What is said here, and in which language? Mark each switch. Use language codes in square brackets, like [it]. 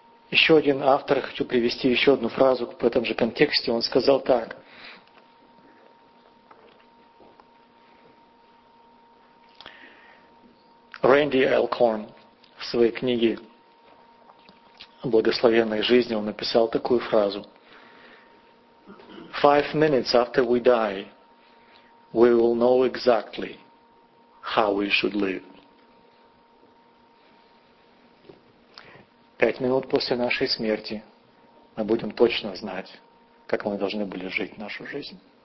[ru] Еще один автор, хочу привести еще одну фразу в этом же контексте, он сказал так. Рэнди Элкорн в своей книге благословенной жизни, он написал такую фразу. [en] 5 minutes after we die, we will know exactly how we should live. [ru] 5 минут после нашей смерти мы будем точно знать, как мы должны были жить нашу жизнь.